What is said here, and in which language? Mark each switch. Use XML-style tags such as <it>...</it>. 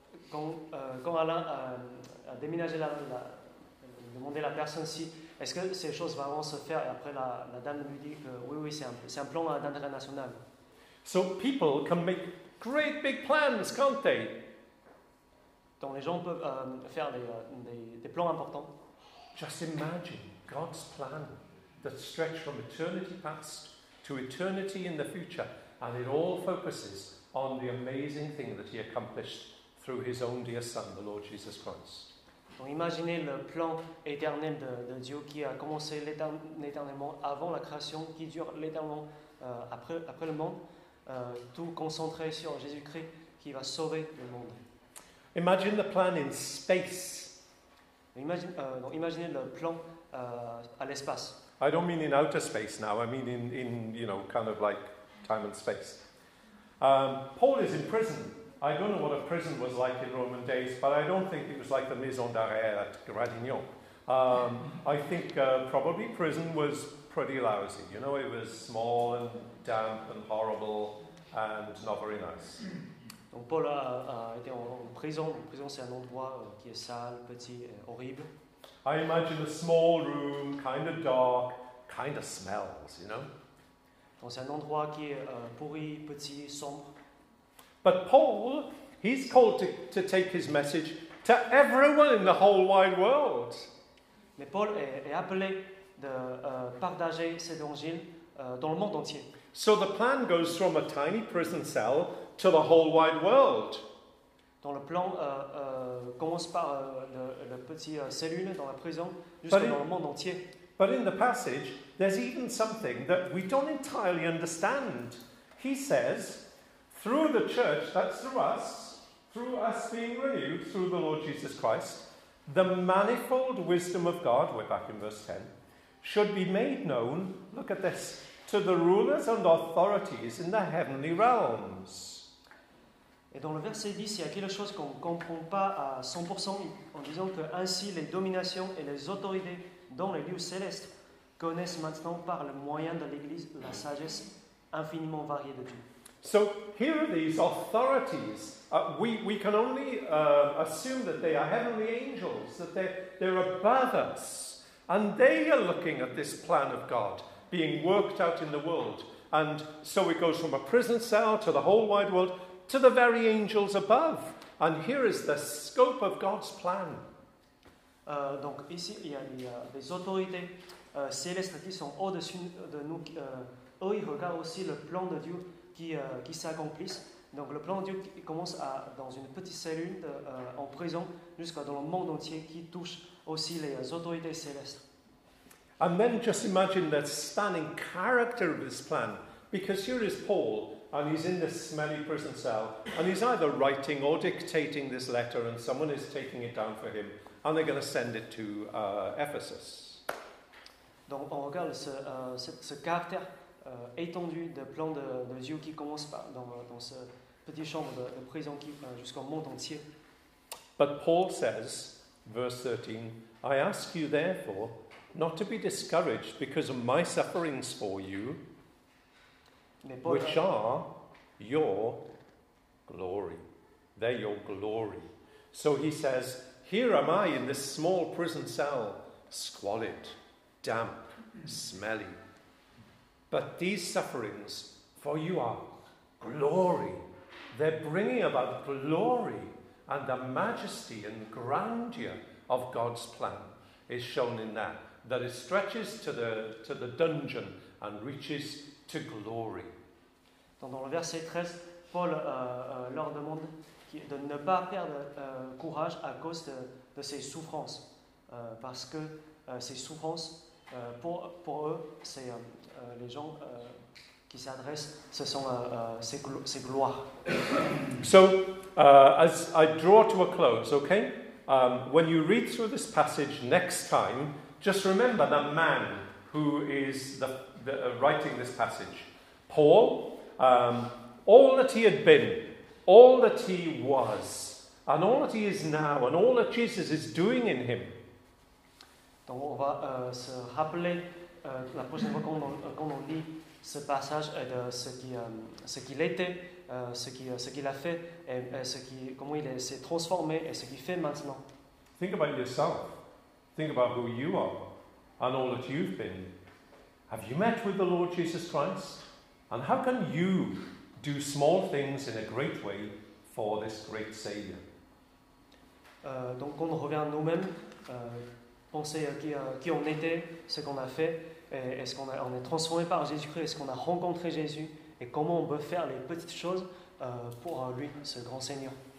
<fr>Quand Alain a déménagé, a demandé à la personne si est-ce que ces choses vont vraiment se faire, et après la dame lui dit que oui, c'est un plan d'intérêt national.</fr> <en>So people can make great big plans, can't they?</en> <fr>Donc les gens peuvent faire des plans importants.</fr> <en>Just imagine God's plan that stretches from eternity past to eternity in the future, and it all focuses on the amazing thing that he accomplished through his own dear son, the Lord Jesus Christ.</en> <fr>Donc imaginez le plan éternel de Dieu qui a commencé l'éternellement avant la création, qui dure l'éternellement après le monde, tout concentré sur Jésus-Christ qui va sauver le monde.</fr> <en>Imagine the plan in space.</en> <fr>Imaginez le plan à l'espace.</fr> <en>I don't mean in outer space now. I mean in you know, kind of like time and space. Paul is in prison. I don't know what a prison was like in Roman days, but I don't think it was like the Maison d'Arrêt at Gradignan. I think probably prison was pretty lousy. You know, it was small and damp and horrible and not very nice.</en> <fr>Donc Paul a été en prison. En prison, c'est un endroit qui est sale, petit, horrible.</fr> <en>I imagine a small room, kind of dark, kind of smells, you know.</en> <fr>Donc c'est un endroit qui est pourri, petit, sombre.</fr> <en>But Paul, he's called to take his message to everyone in the whole wide world.</en> <fr>Mais Paul est appelé de partager cet évangile dans le monde entier.</fr> <en>So the plan goes from a tiny prison cell to the whole wide world.</en> <fr>Dans le plan commence par le petit cellule dans la prison jusqu'au dans le monde entier.</fr> <en>But in the passage, there's even something that we don't entirely understand. He says, through the church, that's through us being renewed through the Lord Jesus Christ, The manifold wisdom of God, we're back in verse 10, should be made known, look at this, to the rulers and authorities in the heavenly realms.</en> <fr>Et dans le verset 10, il y a quelque chose qu'on ne comprend pas à 100% en disant que ainsi les dominations et les autorités dans les lieux célestes connaissent maintenant par le moyen de l'Église la sagesse infiniment variée de Dieu.</fr> <en>So here are these authorities. We can only assume that they are heavenly angels, that they're above us, and they are looking at this plan of God being worked out in the world. And so it goes from a prison cell to the whole wide world to the very angels above. And here is the scope of God's plan.</en> <fr>Donc ici il y a les autorités célestes qui sont au-dessus de nous. Eux ils regardent aussi le plan de Dieu qui s'accomplisse. Donc le plan de Dieu commence dans une petite cellule en prison jusqu'à dans le monde entier qui touche aussi les autorités célestes.</fr> <en>And then just imagine the spanning character of this plan, because here is Paul and he's in this smelly prison cell and he's either writing or dictating this letter and someone is taking it down for him and they're going to send it to Ephesus.</en> <fr>Donc on regarde ce caractère étendu de plan de Dieu qui commence dans ce petit chambre de prison jusqu'au monde entier.</fr> <en>But Paul says, verse 13, I ask you therefore not to be discouraged because of my sufferings for you, which are your glory. They're your glory. So he says, here am I in this small prison cell, squalid, damp, smelly. But these sufferings for you are glory. They're bringing about glory, and the majesty and grandeur of God's plan is shown in that. That it stretches to the dungeon and reaches to glory.</en> <fr>Dans le verset 13, Paul leur demande de ne pas perdre courage à cause de ses souffrances, parce que ces souffrances pour eux, c'est les gens qui s'adressent, ce sont ces gloires.</fr> <en>So as I draw to a close, okay? When you read through this passage next time, just remember the man who is the writing this passage, Paul. All that he had been, all that he was, and all that he is now, and all that Jesus is doing in him.</en> <fr>Donc on va se rappeler la prochaine fois qu'on lit ce passage de ce qu'il était, ce qu'il a fait, et ce qui comment il s'est transformé et ce qu'il fait maintenant.</fr> <en>Think about yourself. Think about who you are and all that you've been. Have you met with the Lord Jesus Christ? And how can you do small things in a great way for this great Savior?</en> <fr>Donc on revient à nous-mêmes, penser qui on était, ce qu'on a fait, et est-ce qu'on on est transformé par Jésus-Christ, est-ce qu'on a rencontré Jésus, et comment on peut faire les petites choses pour lui, ce grand Seigneur.</fr>